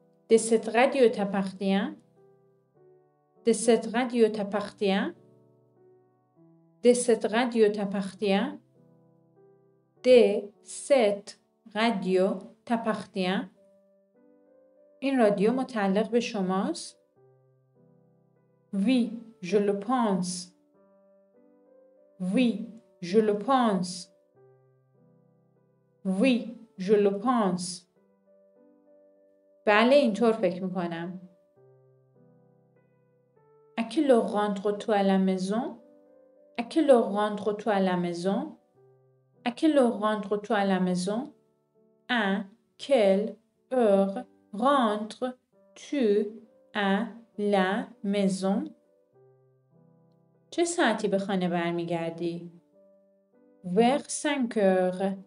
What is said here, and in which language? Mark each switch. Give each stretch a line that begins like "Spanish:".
French: De cette radio t'appartient? De cette radio t'appartient? De cette radio t'appartient? De cette radio t'appartient? Une radio
Persian: متعلق به شماست?
French: Oui, je le pense. Oui, je le pense. Oui, je le pense.
Persian: بله اینطور فکر میکنم.
French: À quelle heure rentres-tu à la maison? À quelle heure rentres-tu à la maison? À quelle heure rentres-tu à la maison? À quelle heure rentres-tu à la maison?
Persian: چه ساعتی به خانه برمیگردی؟
French: Vers 5 heures.